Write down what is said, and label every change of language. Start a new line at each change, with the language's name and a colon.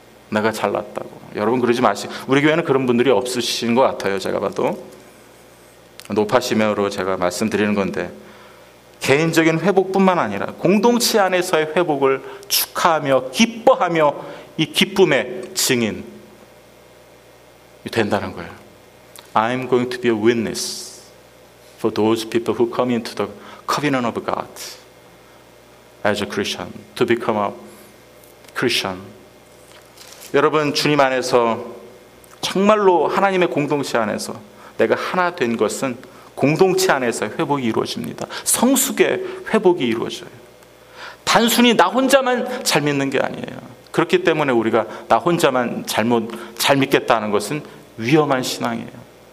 Korean: 내가 잘났다고. 여러분 그러지 마시고, 우리 교회는 그런 분들이 없으신 것 같아요. 제가 봐도 높아심으로 제가 말씀드리는 건데, 개인적인 회복뿐만 아니라 공동체 안에서의 회복을 축하하며 기뻐하며 이 기쁨의 증인 된다는 거예요.
English: I'm going to be a witness for those people who come into the covenant of God as a Christian, to become a Christian.
Korean: 여러분, 주님 안에서 정말로 하나님의 공동체 안에서 내가 하나 된 것은 공동체 안에서 회복이 이루어집니다. 성숙의 회복이 이루어져요. 단순히 나 혼자만 잘 믿는 게 아니에요. 그렇기 때문에 우리가 나 혼자만 잘 믿겠다는 것은 위험한 신앙이에요.